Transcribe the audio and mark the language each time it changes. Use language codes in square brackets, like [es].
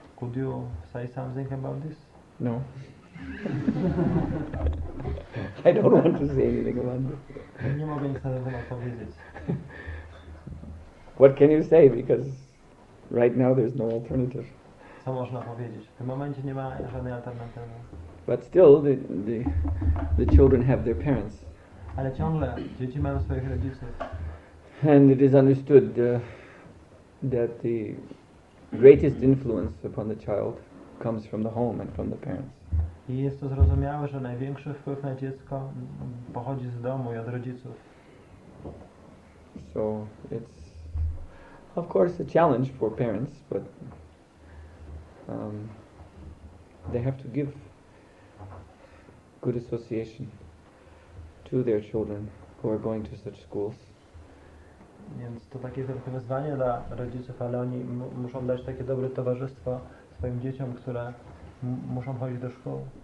[en] Could you say something about this? No. I don't want to say anything about this. [pl] Nie mogę nic na ten temat powiedzieć. [en] What can you say? Because right now there's no alternative. [pl] Co można powiedzieć? W tym momencie nie ma żadnej alternatywy. [en] But still the children have their parents. [pl] Ale ciągle dzieci mają swoich rodziców. [en] And it is understood that the greatest influence upon the child comes from the home and from the parents. [pl] I jest to zrozumiałe, że największy wpływ na dziecko pochodzi z domu i od rodziców. [en] So it's of course a challenge for parents, but they have to give good association to their children who are going to such schools. [pl] Więc to takie wielkie wyzwanie dla rodziców, ale oni muszą dać takie dobre towarzystwo swoim dzieciom, które muszą chodzić do szkoły.